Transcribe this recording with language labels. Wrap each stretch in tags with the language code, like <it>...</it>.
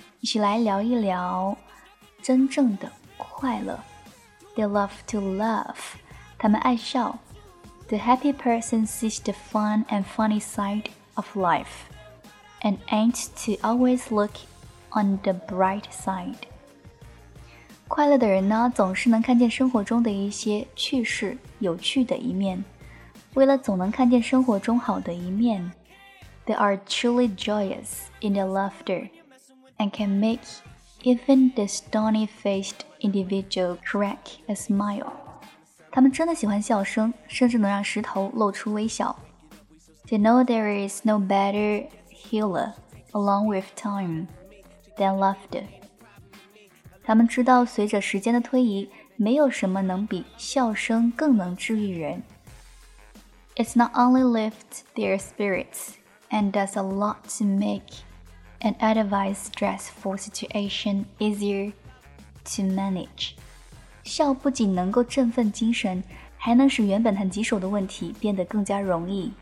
<zh>一起来聊一聊真正的快乐。</zh> <en>They love to laugh.</en> <zh>他们爱笑。</zh> <en>The happy person sees the fun and funny side of life, and aims to always look on the bright side.</en> <zh>快乐的人呢，总是能看见生活中的一些趣事、有趣的一面。为了总能看见生活中好的一面</zh> <en>They are truly joyous in their laughter and can make even the stony-faced individual crack a smile.</en> <zh>他们真的喜欢笑声，甚至能让石头露出微笑。</zh> <en>They know there is no better healer along with time than laughter.</en> <zh>他们知道随着时间的推移，没有什么能比笑声更能治愈人。</zh> <en>It's not only lifts their spirits and does a lot to make an otherwise stressful situation easier to manage.</en> <zh>笑不仅能够振奋精神，还能使原本很棘手的问题变得更加容易。</zh>